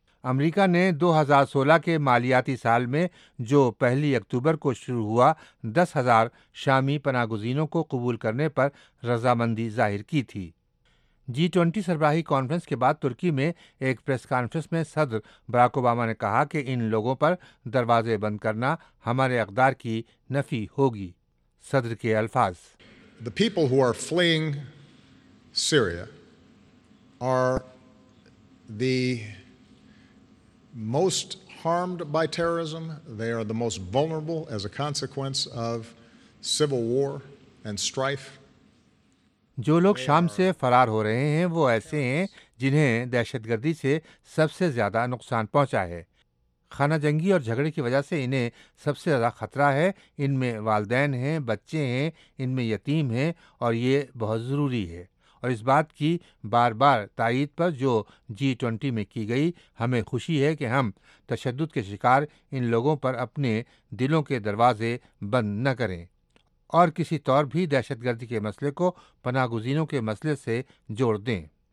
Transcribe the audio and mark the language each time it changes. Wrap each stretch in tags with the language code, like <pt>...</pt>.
<ur>امریکہ نے 2016 کے مالیاتی سال میں، جو 1 اکتوبر کو شروع ہوا، 10,000 شامی پناہ گزینوں کو قبول کرنے پر رضامندی ظاہر کی تھی. G20 سربراہی کانفرنس کے بعد ترکی میں ایک پریس کانفرنس میں صدر براک اوباما نے کہا کہ ان لوگوں پر دروازے بند کرنا ہمارے اقدار کی نفی ہوگی. صدر کے الفاظ:</ur> <en>The people who are fleeing Syria are the most harmed by terrorism. They are the most vulnerable as a consequence of civil war and strife.</en> <ur>جو لوگ شام سے فرار ہو رہے ہیں وہ ایسے ہیں جنہیں دہشت گردی سے سب سے زیادہ نقصان پہنچا ہے۔ خانہ جنگی اور جھگڑے کی وجہ سے انہیں سب سے زیادہ خطرہ ہے۔ ان میں والدین ہیں، بچے ہیں، ان میں یتیم ہیں، اور یہ بہت ضروری ہے۔ اور اس بات کی بار بار تائید پر جو G20 میں کی گئی، ہمیں خوشی ہے کہ ہم تشدد کے شکار ان لوگوں پر اپنے دلوں کے دروازے بند نہ کریں اور کسی طور بھی دہشت گردی کے مسئلے کو پناہ گزینوں کے مسئلے سے جوڑ دیں۔</ur>